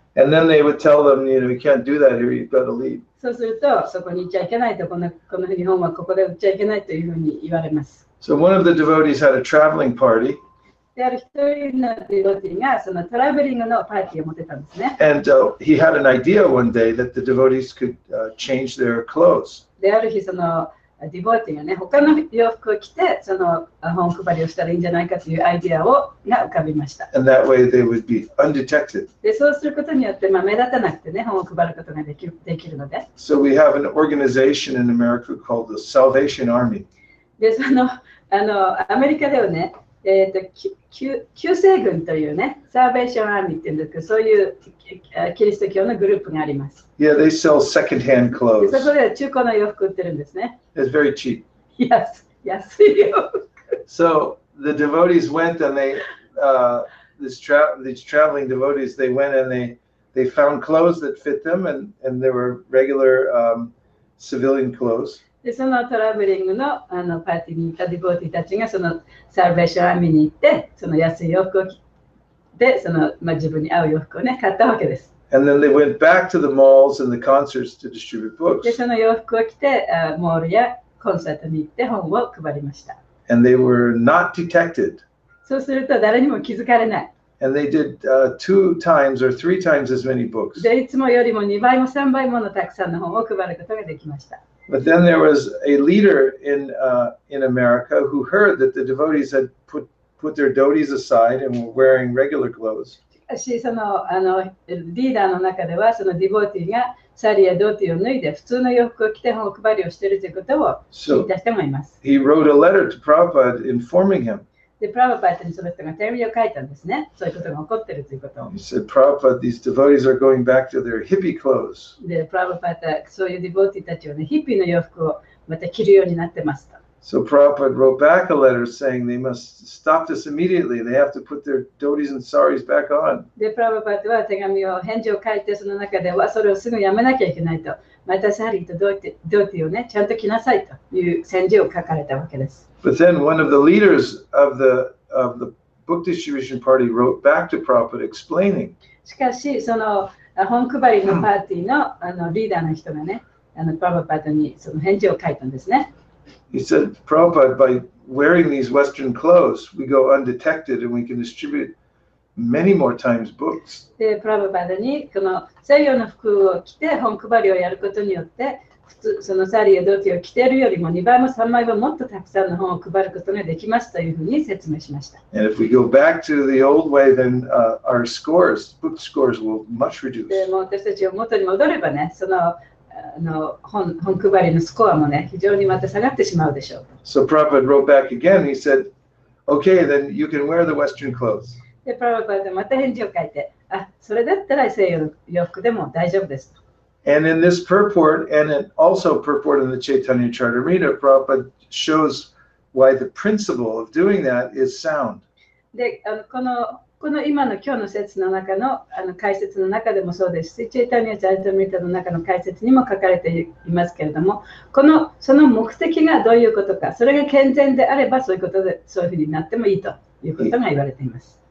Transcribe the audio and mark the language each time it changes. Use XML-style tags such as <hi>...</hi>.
<en>And then they would tell them, you know, you can't do that here, you've got to leave.</en> <ja>そうすると、そこに行っちゃいけないと、この日本はここで行っちゃいけないというふうに言われます。</ja> <en>So one of the devotees had a traveling party.</en> <ja>である一人のディボティがそのトラベリングのパーティーを持ってたんですね。</ja> <en>And he had an idea one day that the devotees could change their clothes.</en> <ja>である日そのディボティがね他の洋服を着てその本配りをしたらいいんじゃないかというアイデアをが浮かびました。</ja> <en>And that way they would be undetected.</en> <ja>でそうすることによってまあ目立たなくてね本を配ることができるので。</ja> <en>So we have an organization in America called the Salvation Army.</en> <ja>でそのあのアメリカではね。救世軍というね、サーベーションアーミーっていうんですけど、そういうキリスト教のグループがあります。</ja> <en>Yeah, they sell second-hand clothes.</en> <ja>そこで中古の洋服売ってるんですね。</ja> <en>It's very cheap.</en> <ja>Yes, 安い洋服。</ja> <en>So the devotees went and they, these traveling devotees, they went and they found clothes that fit them and they were regular, civilian clothes.</en> <ja>でそのトラベリング の, あのパーティーにいたディボーティーたちがそのサルベーションアーミーに行ってその安い洋服を着てその、まあ、自分に合う洋服を、ね、買ったわけです。</ja> <en>And then they went back to the malls and the concerts to distribute books.</en> <ja>でその洋服を着てモールやコンサートに行って本を配りました。</ja> <en>And they were not detected.</en> <ja>そうすると誰にも気づかれない。</ja> <en>And they did two times or three times as many books.</en> <ja>でいつもよりも2倍も3倍ものたくさんの本を配ることができました。</ja> <en>But then there was a leader in America who heard that the devotees had put their dhotis aside and were wearing regular clothes.</en> <ja>しかし、その、あの、リーダーの中では、そのディボーティーがサリやドーティーを脱いで普通の洋服を着て本を配りをしているということを聞いた人もいます。</ja> <en>So, he wrote a letter to Prabhupada informing him.</en> <ja>で、プラヴァパッタにその人が手紙を書いたんですね。そういうことが起こってるということを。</ja> <en>He said, Prabhupada, these devotees are going back to their hippie clothes.</en> <ja>で、プラヴァパッタ、そういうディボーティーたちはね、ヒッピーの洋服をまた着るようになってますと。</ja> <en>So Prabhupada wrote back a letter saying they must stop this immediately. They have to put their dhotis and saris back on.</en> <ja>で、プラヴァパッタは手紙を、返事を書いて、その中では、それをすぐやめなきゃいけないと。またサリーとドーティーをね、ちゃんと着なさいという宣示を書かれたわけです。</ja> <en>But then one of the leaders of the book distribution party wrote back to Prabhupada explaining.</en> <ja>しかし、その本配りのパーティーの、あのリーダーの人がね、あのプラヴァパッタにその返事を書いたんですね。</ja> <en>He said, Prabhupada, by wearing these Western clothes, we go undetected and we can distribute many more times books.</en> <ja>で、プラヴァパッタにこの西洋の服を着て本配りをやることによって、普通そのサリーやドーティーを着ているよりも2倍も3倍ももっとたくさんの本を配ることができますというふうに説明しました。</ja> <en>And if we go back to the old way, then our scores, book scores will much reduce.</en> <ja>でも私たちが元に戻ればね、その、あの 本配りのスコアもね、非常にまた下がってしまうでしょう。</ja> <en>So Prabhupada wrote back again. He said, okay, then you can wear the Western clothes.</en> <ja>で、Prabhupada また返事を書いて、あ、それだったら西洋の洋服でも大丈夫ですと。</ja> <en>And in this purport, and also purport in the Chaitanya Charitamrita, Prabhupada shows why the principle of doing that is sound.</en> <ja>で、あの、この今の今日の説の中の、あの解説の中でもそうですし、Chaitanya Charitamrita の中の解説にも書かれていますけれども、この、その目的がどういうことか、それが健全であればそういうことで、そういうふうになってもいいということが言われています。</ja>